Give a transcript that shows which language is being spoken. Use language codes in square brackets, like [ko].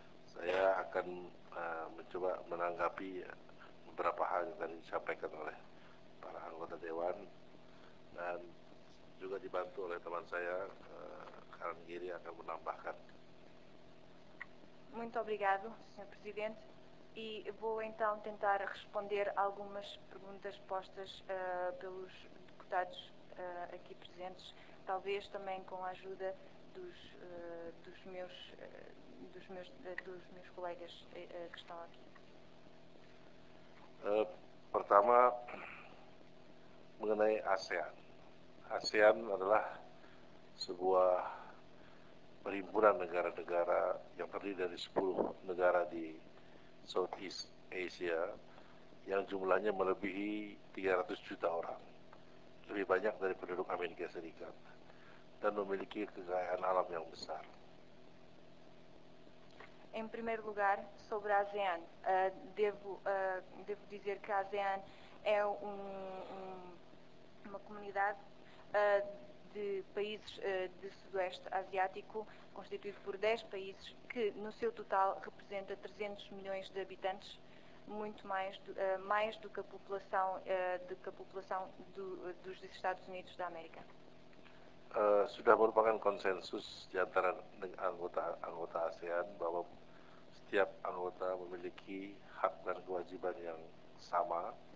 [id] Saya akan mencoba menanggapi beberapa hal yang tadi disampaikan oleh para anggota Dewan, dan juga dibantu oleh teman saya, Karen Giri akan menambahkan. [pt] Muito obrigado, Sr. Presidente. E vou então tentar responder algumas perguntas postas pelos deputados aqui presentes, talvez também com a ajuda dos meus colegas que estão aqui. [id] Pertama, mengenai ASEAN. ASEAN adalah sebuah perhimpunan negara-negara yang terdiri dari 10 negara di Southeast Asia yang jumlahnya melebihi 300 juta orang, lebih banyak dari penduduk Amerika Serikat, dan memiliki kekayaan alam yang besar. [pt] Em primeiro lugar, sobre a ASEAN, devo dizer que a ASEAN é uma comunidade de países de sudoeste asiático, constituído por 10 países, que no seu total representa 300 milhões de habitantes, muito mais do que a população dos Estados Unidos da América. [id] Sudah merupakan konsensus di antara anggota ASEAN bahwa setiap anggota memiliki hak dan kewajiban yang sama.